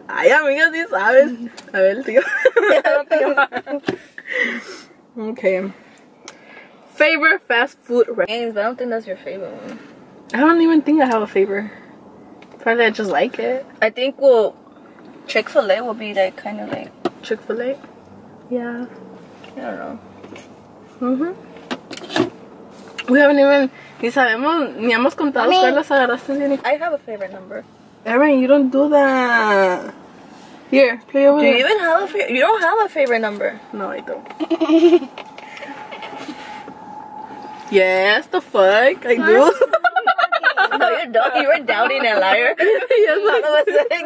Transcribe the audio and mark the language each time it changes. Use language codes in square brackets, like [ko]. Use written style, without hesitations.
[es] Ay, amigos, ¿sí sabes? A ver, el tío. [en] Okay. Favorite fast food restaurant. But I don't think that's your favorite one. I don't even think I have a favorite. Probably I just like it. I think, well, Chick-fil-A will be like kind of like Chick-fil-A. Yeah. I don't know. Mhm. We haven't even [es] ni sabemos ni hemos contado cuáles las agarraste. [en] I have a favorite number. Erin, you don't do that. Here, play over. Do you even have a favorite? You don't have a favorite number. No, I don't. Yes, the fuck I do. No, you don't. You're a doubting a liar. Yes,